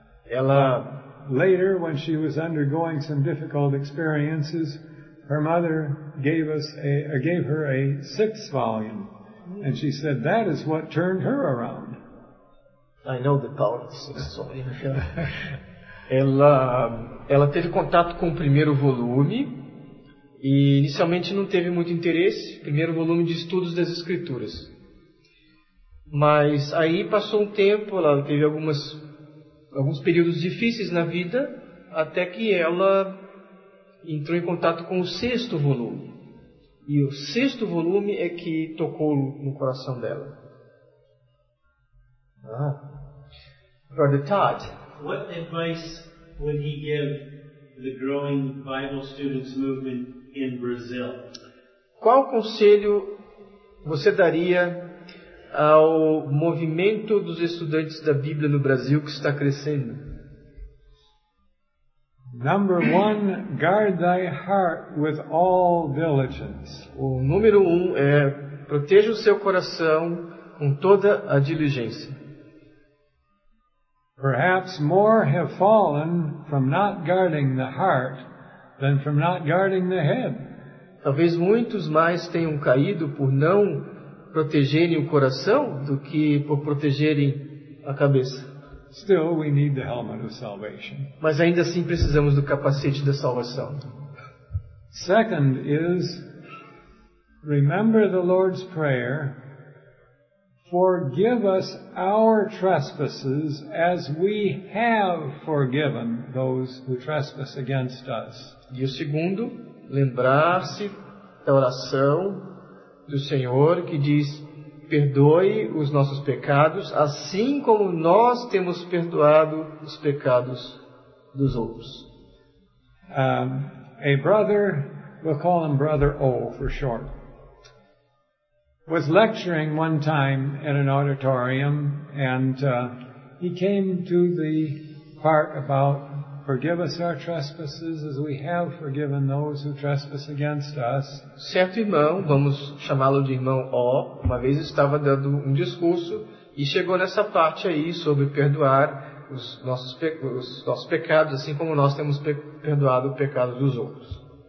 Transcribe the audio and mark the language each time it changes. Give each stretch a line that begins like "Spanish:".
Portuguese: Ela,
English: later, when she was undergoing some difficult experiences, her mother gave her a sixth volume, and she said that is what turned her around. I know the power of the sixth volume.
Portuguese: Ela teve contato com o primeiro volume e inicialmente não teve muito interesse, primeiro volume de Estudos das Escrituras. Mas aí passou um tempo, ela teve alguns períodos difíceis na vida, até que ela entrou em contato com o sexto volume. E o sexto volume é que tocou no coração dela.
English: Ah. Brother Todd. What advice would he give the growing Bible students movement in Brazil?
Portuguese: Qual conselho você daria ao movimento dos estudantes da Bíblia no Brasil que está crescendo?
English: Number one, guard thy heart with all diligence.
Portuguese: O número um é proteja o seu coração com toda a diligência.
English: Perhaps more have fallen from not guarding the heart than from not guarding the head.
Portuguese: Talvez muitos mais tenham caído por não protegerem o coração do que por protegerem a cabeça.
English: Still, we need the helmet of salvation.
Portuguese: Mas ainda assim precisamos do capacete da salvação.
English: Second is, remember the Lord's Prayer, forgive us our trespasses as we have forgiven those who trespass against us.
Portuguese: E o segundo, lembrar-se da oração do Senhor que diz: perdoe os nossos pecados, assim como nós temos perdoado os pecados dos outros.
English: A brother, we'll call him Brother O for short, was lecturing one time at an auditorium, and he came to the part about forgive us our trespasses as we have forgiven those who trespass against us.
Portuguese: Certo irmão, vamos chamá-lo de irmão O, uma vez estava dando um discurso e chegou nessa parte aí sobre perdoar os nossos pecados, assim como nós temos perdoado o pecado dos outros.